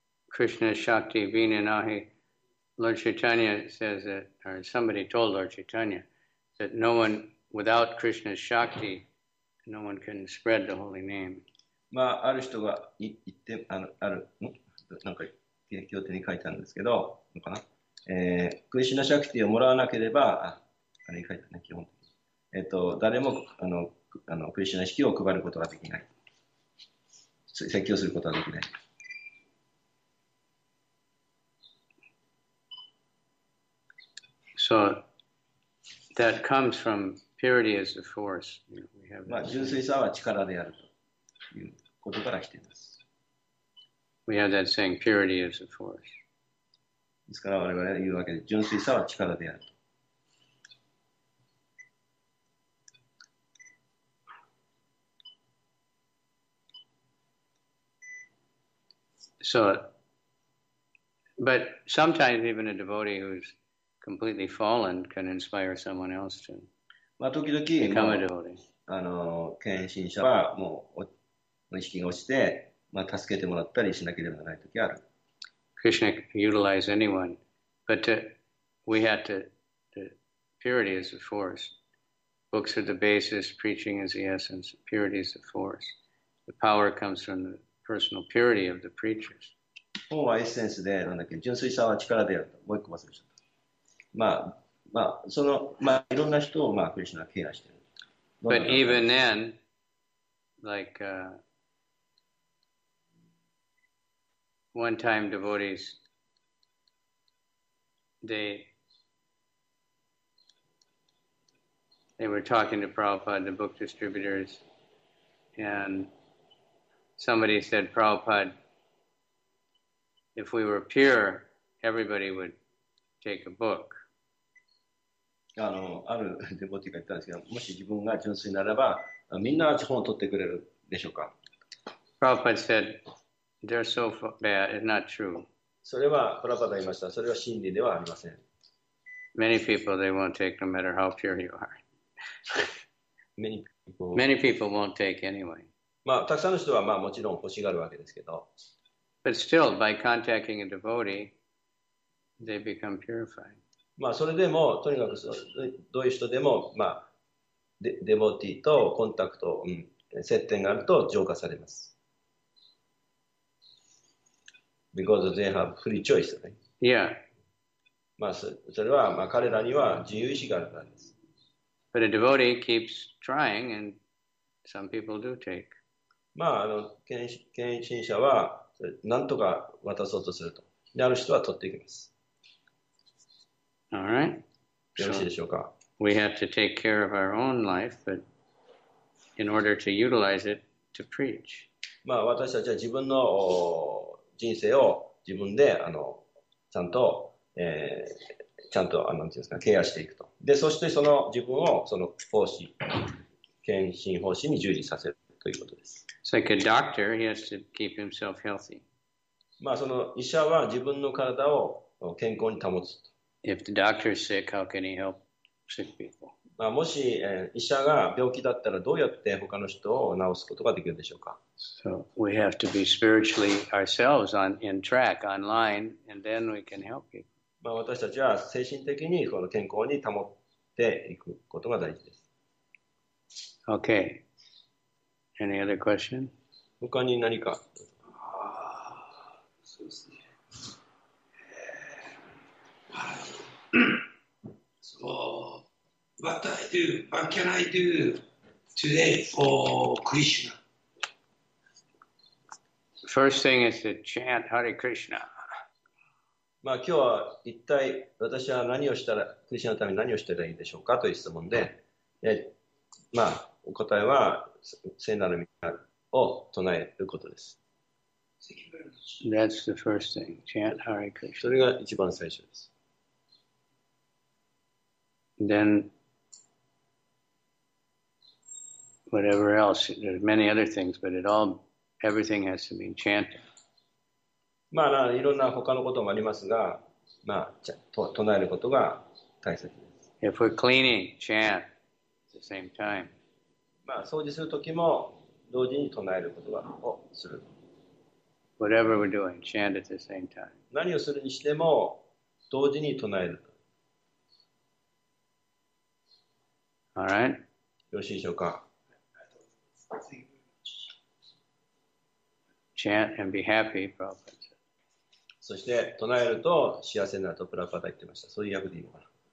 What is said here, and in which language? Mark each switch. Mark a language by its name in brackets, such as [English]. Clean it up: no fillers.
[Bangla] Krishna Shakti Vina Nahi, [English] Lord Chaitanya says that, or somebody told Lord Chaitanya, that no one without Krishna's Shakti, no one can spread the holy name. [Japanese] まあ、ある人が言って、ある、なんか、経典に書いてあるんですけど、のかな、クリシュナシャクティをもらわなければ、あれに書いてあるね、基本的に。誰もクリシュナ式を配ることができない。説教することはできない。 [English] So, that comes from purity as a force. We have [Japanese] まあ、純粋さは力であるということから来ています。 [English] We have that saying, purity is a force. [Japanese] ですから我々は言うわけで、純粋さは力であると。 [English] So, but sometimes even a devotee who's completely fallen can inspire someone else to become a devotee. [Japanese] 献身者はもう意識が落ちて、まあ、助けてもらったりしなければならない時ある。 [English] Krishna can utilize anyone, but the purity is the force. Books are the basis, preaching is the essence, purity is the force. The power comes from the personal purity of the preachers. [Japanese] 本はエッセンスで、なんだっけ、純粋さは力であると。もう一個忘れちゃった。いろんな人を、まあ、クリシュナはケアしてる。 [English] But even then, like, one time devotees, they were talking to Prabhupada, the book distributors, and somebody said, Prabhupada, if we were pure, everybody would take a book. [Japanese] あるデボティが言ったんですけど、もし自分が純粋ならば、みんな本を取ってくれるでしょうか。 [English] Prabhupada said, they're so bad, it's not true. [Japanese] それは、プラパダ言いました。それは真理ではありません。 [English] Many people, they won't take no matter how pure you are. Many people won't take anyway. [Japanese] まあ、たくさんの人は、まあ、もちろん欲しがるわけですけど。 [English] But still, by contacting a devotee, they become purified. [Japanese] まあ、それでも、とにかくどういう人でも、まあ、デボティとコンタクト、接点があると浄化されます。 [English] Because they have free choice, right? Yeah. [Japanese] まあ、それは、まあ、彼らには自由意志があるからです。 [English] But a devotee keeps trying, and some people do take. [Japanese] まあ、献身者は、なんとか渡そうとすると。で、ある人は取っていきます。 [English] All right. [Japanese] よろしいでしょうか? [English] So, we have to take care of our own life, but in order to utilize it to preach. [Japanese] まあ、私たちは自分の人生を自分でちゃんとなんていうんですか、ケアしていくと。で、そしてその自分をその奉仕、献身奉仕に従事させるということです。 [English] It's like a doctor, he has to keep himself healthy. [Japanese] まあ、その医者は自分の体を健康に保つと。 [English] If the doctor is sick, how can he help sick people? [Japanese] まあ、もし、医者が病気だったらどうやって他の人を治すことができるでしょうか? [English] So we have to be spiritually ourselves in track, online, and then we can help people. [Japanese] まあ、私たちは精神的にこの健康に保っていくことが大事です。 [English] Okay. Any other question? [Japanese] 他に何か。 [English] So, what I do, what can I do today for Krishna? First thing is to chant Hare Krishna. [Japanese] まあ今日は一体私は何をしたら、クリシナのために何をしたらいいでしょうかという質問で、まあお答えは聖なる御名を唱えることです。 [English] That's the first thing. Chant Hare Krishna. [Japanese] それが一番最初です。 [English] Then, whatever else, there's many other things, but it all, everything has to be chanted. [Japanese] まあ、いろんな他のこともありますが、まあ、唱えることが大切です。 [English] If we're cleaning, chant at the same time. [Japanese] まあ、掃除するときも同時に唱えることがをする。 [English] Whatever we're doing, chant at the same time. [Japanese] 何をするにしても同時に唱える。 [English] All right. [Japanese] よろしいでしょうか。 [English] Chant and be happy, Prabhupada. [Japanese] そして唱えると幸せになるとプラパダ言ってました。そういう訳でいいのかな。